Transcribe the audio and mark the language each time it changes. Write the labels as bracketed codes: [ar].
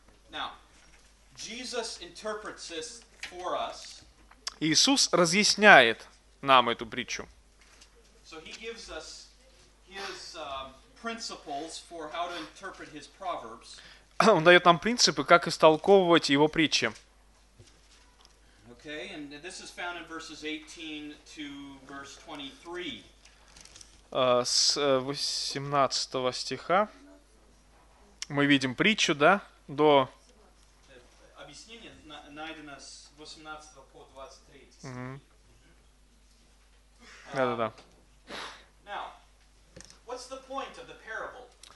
[en] Now, Jesus interprets this for us. [ru] Иисус разъясняет нам эту притчу. [en] So he gives us his principles for how to interpret his proverbs. [ru] Он дает нам принципы, как истолковывать его притчи. [en] Okay, and this is found in verses 18 to verse 23. [ru] С 18 стиха мы видим притчу, да, до... Объяснение найдено с 18 по 23. Да-да-да. [en] Now, what's the point of the parable?